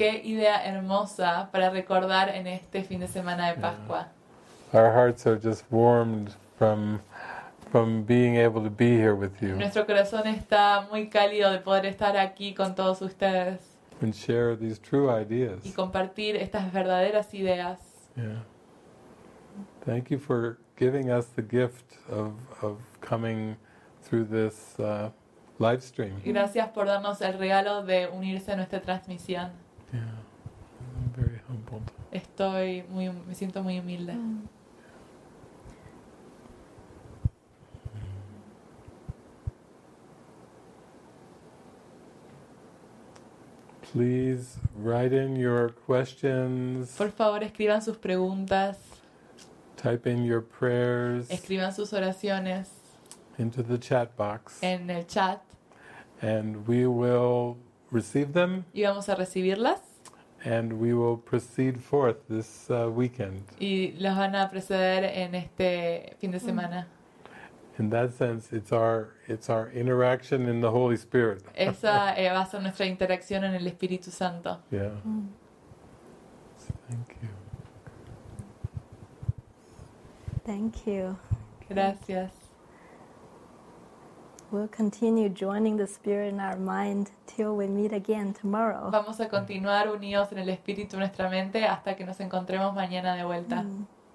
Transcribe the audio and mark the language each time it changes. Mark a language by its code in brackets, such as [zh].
[es] Qué idea hermosa para recordar en este fin de semana de Pascua. [en] Yeah. Our hearts are just warmed from being able to be here with you. [es] Nuestro corazón está muy cálido de poder estar aquí con todos ustedes. [en] And share these true ideas. [es] Y compartir estas verdaderas ideas. [en] Yeah. Thank you for giving us the gift of coming through this live stream. [es] Gracias por darnos el regalo de unirse a nuestra transmisión. [en] Yeah, I'm very humbled. [es] Estoy muy, me siento muy humilde. [en] Please write in your questions. [es] Por favor, escriban sus preguntas. [en] Type in your prayers. [es] Escriban sus oraciones. [en] Into the chat box. [es] En el chat. [en] And we will receive them. [es] Y vamos a recibirlas. [en] And we will proceed forth this weekend. [es] Y los van a proceder en este fin de semana. [en] In that sense, it's our interaction in the Holy Spirit. [es] Esa va a ser nuestra interacción en el Espíritu Santo. [en] Yeah. Thank you. Thank you. [es] Gracias. [en] We'll continue joining the spirit in our mind till we meet again tomorrow. [es] Vamos a continuar unidos en el espíritu en nuestra mente hasta que nos encontremos mañana de vuelta. Mm.